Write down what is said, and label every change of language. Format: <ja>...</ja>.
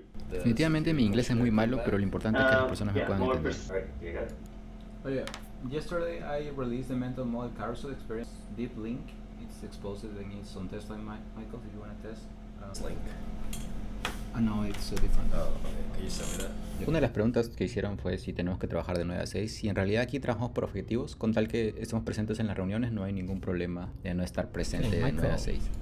<es>Definitivamente mi inglés es muy malo, pero lo importante es que las personas me puedan entender.</es> <en>Oh yeah, yesterday I released the mental model carousel experience deep link. It's exposed. I need some test, like Michael, if you want to test. Link. No, it's so different. Oh, okay. Can you send me that?</en> <es>Una de las preguntas que hicieron fue si tenemos que trabajar de 9 a 6. Si en realidad aquí trabajamos por objetivos, con tal que estemos presentes en las reuniones, no hay ningún problema de no estar presente de 9 a 6.</es>